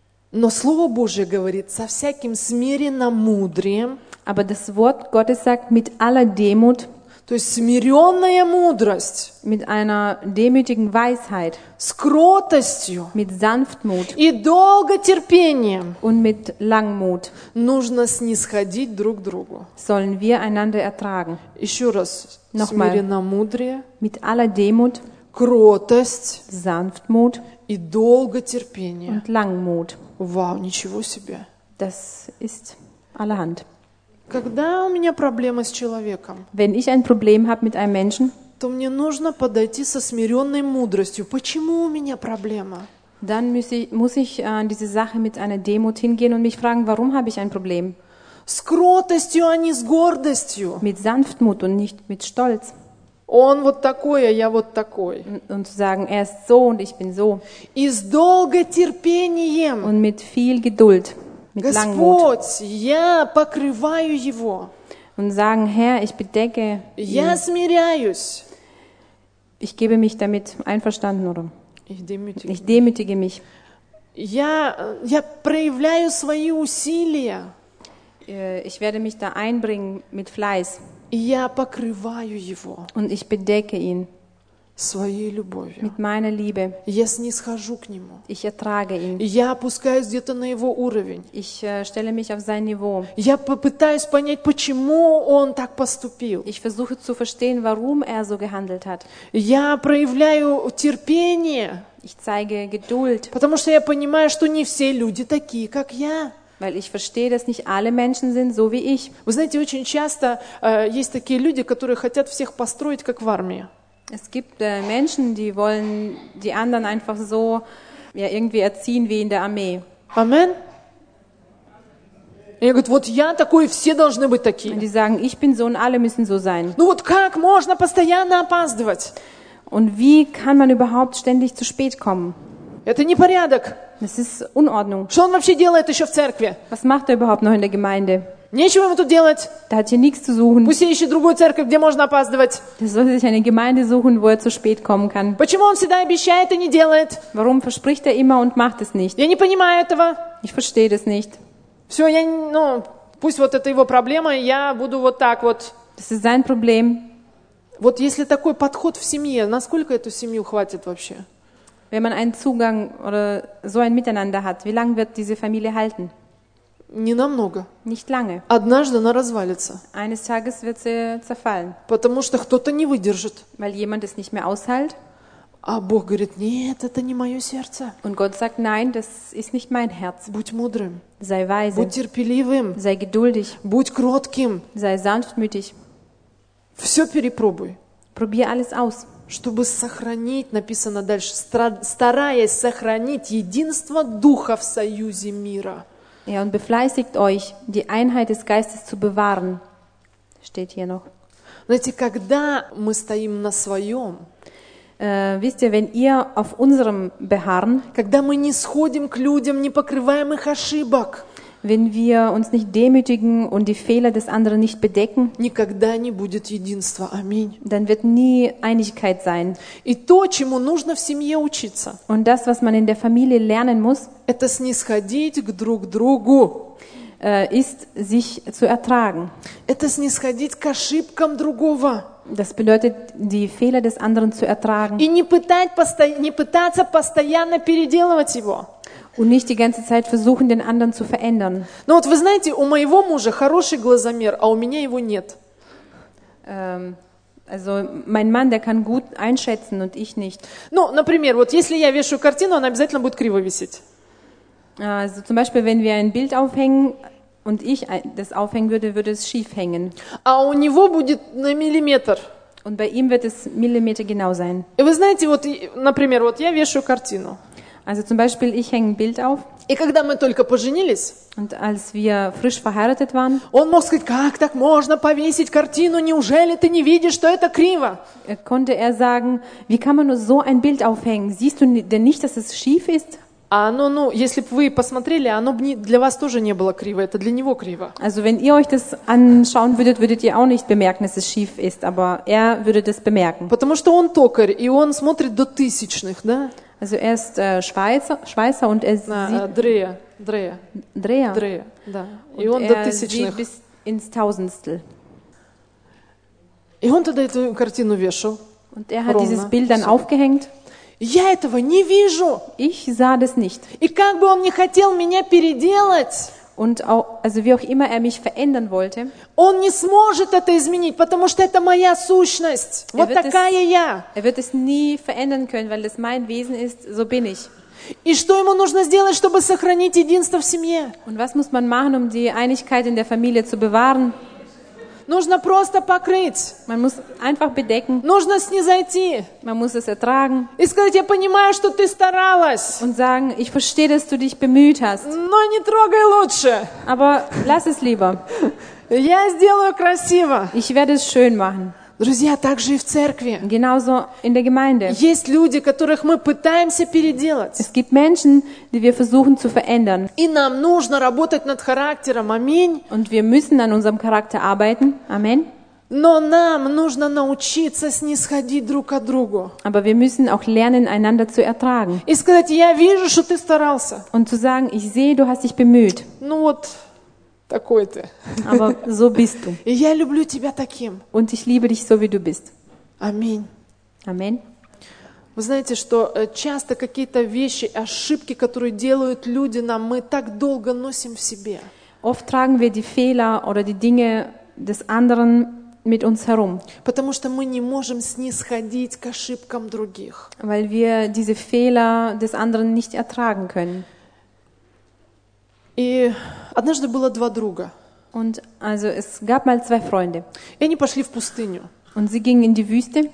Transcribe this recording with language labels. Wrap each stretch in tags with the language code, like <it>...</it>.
<ru>Но Слово Божие говорит со всяким смиренномудрием.</ru> <de>Aber das Wort Gottes sagt mit aller Demut.</de> <ru>То есть смиренная мудрость.</ru> <de>Mit einer demütigen Weisheit.</de> <ru>С кротостью.</ru> <de>Mit Sanftmut.</de> <ru>И долготерпением.</ru> <de>Und mit Langmut.</de> <ru>Нужно снисходить друг другу.</ru> <de>Sollen wir einander ertragen.</de> <ru>Еще раз.</ru> <de>Nochmal.</de> <ru>Смиренномудрие.</ru> <de>Mit aller Demut.</de> <ru>Кротость.</ru> <de>Sanftmut.</de> <ru>И долготерпение.</ru> <de>Und Langmut.</de> <ru>Вау, ничего себе.</ru> <de>Das ist allerhand.</de> <ru>Когда у меня проблемы с человеком,</ru> <de>wenn ich ein Problem habe mit einem Menschen,</de> <ru>то мне нужно подойти со смиренной мудростью. Почему у меня проблема?</ru> <de>Dann muss ich an diese Sache mit einer Demut hingehen und mich fragen, warum habe ich ein Problem?</de> <ru>С кротостью, а не с гордостью.</ru> <de>Mit Sanftmut und nicht mit Stolz.</de> <ru>Он вот такой, а я вот такой.</ru> <de>Und sagen, er ist so und ich bin so.</de> <ru>И с долготерпением.</ru> <de>Und mit viel Geduld. Mit</de> <ru>Господь,</ru> <de>Langmut.</de> <ru>Я покрываю его.</ru> <de>Und sagen, Herr, ich bedecke</de> <ru>я</ru> <de>ihn.</de> <ru>Смиряюсь.</ru> <de>Ich gebe mich damit einverstanden, oder? Ich demütige mich.</de> <ru>Я проявляю свои усилия.</ru> <de>Ich werde mich da einbringen mit Fleiß.</de> <ru>Я покрываю его.</ru> <de>Und ich bedecke ihn.</de> <ru>Своей любовью.</ru> <de>Mit meiner Liebe.</de> <ru>Я снисхожу к нему.</ru> <de>Ich ertrage ihn.</de> <ru>Я опускаюсь где-то на его уровень.</ru> <de>Ich stelle mich auf sein Niveau.</de> <ru>Я попытаюсь понять, почему он так поступил.</ru> <de>Ich versuche zu verstehen, warum er so gehandelt hat.</de> <ru>Я проявляю терпение.</ru> <de>Ich zeige Geduld.</de> <ru>Потому что я понимаю, что не все люди такие, как я.</ru> <de>Weil ich verstehe, dass nicht alle Menschen sind so wie ich.</de> <ru>Вы знаете, очень часто есть такие люди, которые хотят всех построить, как в армии.</ru> <de>Es gibt Menschen, die wollen die anderen einfach so ja, irgendwie erziehen wie in der Armee. Amen.</de> <ru>Они говорят, вот я такой, все должны быть такие.</ru> <de>Und die sagen, ich bin so und alle müssen so sein.</de> <ru>Ну вот как можно постоянно опаздывать?</ru> <de>Und wie kann man überhaupt ständig zu spät kommen?</de> <ru>Это непорядок.</ru> <de>Das ist Unordnung.</de> <ru>Что он вообще делает еще в церкви?</ru> <de>Was macht er überhaupt noch in der Gemeinde?</de> <ru>Нечего ему тут делать.</ru> <de>Da hat hier nichts zu suchen.</de> <ru>Пусть он ищет другую церковь, где можно опаздывать.</ru> <de>Der soll sich eine Gemeinde suchen, wo er zu spät kommen kann.</de> <ru>Почему он всегда обещает и не делает?</ru> <de>Warum verspricht er immer und macht es nicht?</de> <ru>Я не понимаю этого.</ru> <de>Ich verstehe das nicht.</de> <ru>Все, я, ну, пусть вот это его проблема, и я буду вот так вот.</ru> <de>Das ist sein Problem.</de> <ru>Вот если такой подход в семье, насколько эту семью хватит вообще?</ru> <de>Wenn man einen Zugang oder so ein Miteinander hat, wie lange wird diese Familie halten?</de> <ru>Не намного.</ru> <de>Nicht lange.</de> <ru>Однажды она развалится.</ru> <de>Eines Tages wird sie zerfallen.</de> <ru>Потому что кто-то не выдержит.</ru> <de>Weil jemand es nicht mehr aushält.</de> <ru>А Бог говорит, нет, это не мое сердце.</ru> <de>Und Gott sagt, nein, das ist nicht mein Herz.</de> <ru>Будь мудрым.</ru> <de>Sei weise.</de> <ru>Будь терпеливым.</ru> <de>Sei geduldig.</de> <ru>Будь кротким.</ru> <de>Sei sanftmütig.</de> <ru>Все перепробуй.</ru> <de>Probier alles aus.</de> <ru>Чтобы сохранить, написано дальше, стараясь сохранить единство Духа в союзе мира.</ru> <de>Ja, und befleißigt euch, die Einheit des Geistes zu bewahren. Steht hier noch.</de> <ru>Знаете, когда мы стоим на своем,</ru> <de>wisst ihr, wenn ihr auf unserem beharren,</de> <ru>когда мы не сходим к людям, не покрываем их ошибок,</ru> <de>wenn wir uns nicht demütigen und die Fehler des anderen nicht bedecken,</de> <ru>никогда не будет единства. Аминь.</ru> <de>Dann wird nie Einigkeit sein.</de> <ru>И то, чему нужно в семье учиться,</ru> <de>und das, was man in der Familie lernen muss,</de> <ru>это снисходить к друг другу,</ru> <de>ist, sich zu ertragen.</de> <ru>Это снисходить к ошибкам другого.</ru> <de>Das bedeutet, die Fehler des anderen zu ertragen.</de> <ru>И не пытаться постоянно переделывать его.</ru> <de>Und nicht die ganze Zeit versuchen, den anderen zu verändern.</de> <ru>Ну вот вы знаете, у моего мужа хороший глазомер, а у меня его нет.</ru> <de>Also mein Mann, der kann gut einschätzen und ich nicht.</de> <ru>Ну, например, вот если я вешаю картину, она обязательно будет криво висеть.</ru> <de>Also zum Beispiel, wenn wir ein Bild aufhängen und ich das aufhängen würde, würde es schief hängen.</de> <ru>А у него будет на миллиметр.</ru> <de>Und bei ihm wird es millimetergenau sein.</de> <ru>И вы знаете, вот, например, вот я вешаю картину.</ru> <de>Also zum Beispiel, ich hänge ein Bild auf.</de> <ru>И когда мы только поженились,</ru> <de>und als wir frisch verheiratet waren,</de> <ru>он мог сказать, как так можно повесить картину, неужели ты не видишь, что это криво?</ru> <de>Konnte er sagen, wie kann man nur so ein Bild aufhängen? Siehst du denn nicht, dass es schief ist?</de> <ru>А оно, ну, если бы вы посмотрели, оно бы для вас тоже не было криво, это для него криво.</ru> <de>Also, wenn ihr euch das anschauen würdet, würdet ihr auch nicht bemerken, dass es schief ist, aber er würde das bemerken.</de> <ru>Потому что он токарь, и он смотрит до тысячных, да?</ru> <de>Also, er ist Schweißer und er</de> <ru>Дрея. Дрея, да. И он до тысячных.</ru> <de>Bis ins Tausendstel.</de> <ru>И он тогда эту картину вешал.</ru> <de>Und er hat</de> <ru>ровно.</ru> <de>Dieses Bild dann aufgehängt.</de> <ru>Я этого не вижу.</ru> <de>Ich sah das nicht.</de> <ru>И как бы он ни хотел меня переделать,</ru> <de>und auch, also wie auch immer er mich verändern wollte,</de> <ru>он не сможет это изменить, потому что это моя сущность. Вот такая я.</ru> <de>Er wird es nie verändern können, weil das mein Wesen ist, so bin ich.</de> <ru>И что ему нужно сделать, чтобы сохранить единство в семье?</ru> <de>Und was muss man machen, um die Einigkeit in der Familie zu bewahren?</de> <ru>Нужно просто покрыть.</ru> <de>Man muss einfach bedecken.</de> <ru>Нужно снизойти.</ru> <de>Man muss es ertragen.</de> <ru>И сказать, я понимаю, что ты старалась.</ru> <de>Und sagen, ich verstehe, dass du dich bemüht hast.</de> <ru>Но не трогай лучше.</ru> <de>Aber lass es lieber.</de> <ru>Я сделаю красиво.</ru> <de>Ich werde es schön machen.</de> <ru>Друзья, так же и в церкви.</ru> <de>Genauso in der Gemeinde.</de> <ru>Есть люди, которых мы пытаемся переделать.</ru> <de>Es gibt Menschen, die wir versuchen zu verändern.</de> <ru>И нам нужно работать над характером. Аминь.</ru> <de>Und wir müssen an unserem Charakter arbeiten. Amen.</de> <ru>Но нам нужно научиться снисходить друг к другу.</ru> <de>Aber wir müssen auch lernen, einander zu ertragen.</de> <ru>И сказать, я вижу, что ты старался.</ru> <de>Und zu sagen, ich sehe, du hast dich bemüht.</de> <ru>Ну вот. Такой ты.</ru> <de>Aber so bist du.</de> <ru>И я люблю тебя таким.</ru> <de>Und ich liebe dich so, wie du bist.</de> <ru>Аминь. Аминь. Вы знаете, что часто какие-то вещи, ошибки, которые делают люди нам, мы так долго носим в себе.</ru> <de>Oft tragen wir die Fehler oder die Dinge des anderen mit uns herum.</de> <ru>Потому что мы не можем снисходить к ошибкам других.</ru> <de>Weil wir diese Fehler des anderen nicht ertragen können.</de> <ru>И однажды было два друга.</ru> <de>Und also es gab mal zwei Freunde.</de> <ru>И они пошли в пустыню.</ru> <de>Und sie gingen in die Wüste.</de>